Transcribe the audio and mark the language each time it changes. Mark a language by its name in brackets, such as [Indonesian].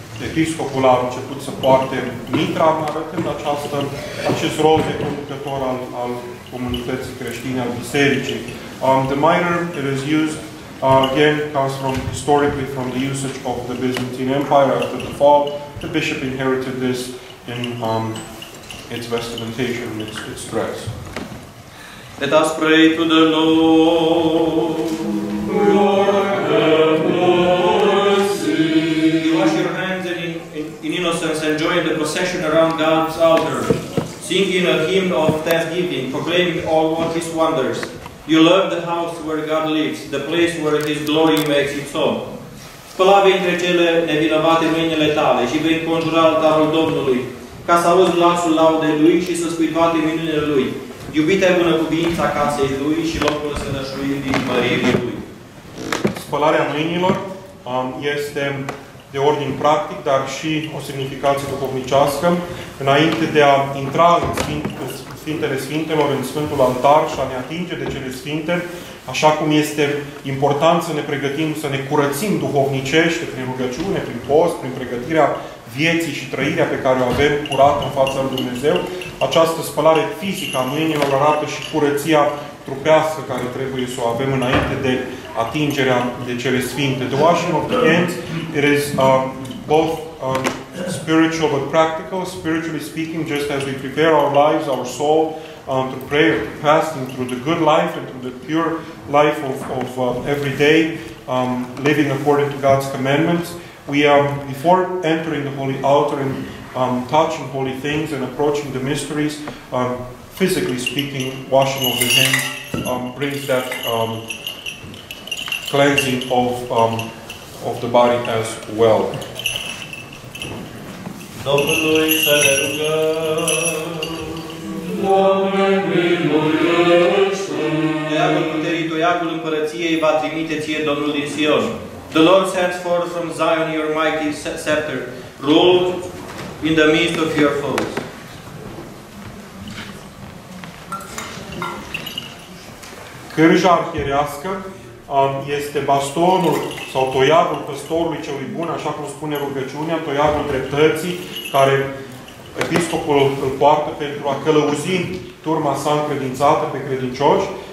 [Romanian] Episcopul a început să poarte mitra, arătând acest rol de conducător al comunității creștine, al bisericii. [English] The mitre, it is used, again, comes from historically from the usage of the Byzantine Empire after the fall. The bishop inherited this in its vestimentation, its dress. Let us pray to the Lord. And join the procession around God's altar, singing a hymn of thanksgiving, proclaiming all of His wonders. You love the house where God lives, the place where His glory makes its home. [Romanian] Spălați între cele nevinovate mâinile tale și vei conjura altarul Domnului, ca să auzi glasul laudei Lui și să spui toate minunile Lui. Iubite bunăcuvința casei Lui și locul sănășului din măririi Lui. Spălarea mâinilor este de ordin practic, dar și o semnificație duhovnicească. Înainte de a intra în Sfintele Sfintelor, în Sfântul Altar și a ne atinge de cele sfinte, așa cum este important să ne pregătim, să ne curățim duhovnicește prin rugăciune, prin post, prin pregătirea vieții și trăirea pe care o avem curată în fața lui Dumnezeu, această spălare fizică a mâinilor arată și curăția trupească care trebuie să o avem înainte de atingerea de cele sfinte. [English] The washing of the hands, it is both spiritual but practical. Spiritually speaking, just as we prepare our lives, our soul, through prayer, through fasting, through the good life and through the pure life of every day, living according to God's commandments, we are, before entering the holy altar and touching holy things and approaching the mysteries, physically speaking, washing of the hands brings that cleansing of the body as well. [Romanian] Domnului să ne rugăm. Doamne, miluiește. Toiagul puterii, toiagul împărăției va trimite ție Domnul din Sion. [English] The Lord sends forth from Zion your mighty scepter, rule in the midst of your foes. [Romanian] Cârja arhierească este bastonul sau toiagul păstorului celui bun, așa cum spune rugăciunea, toiagul dreptății, care episcopul îl poartă pentru a călăuzi turma sa încredințată pe credincioși.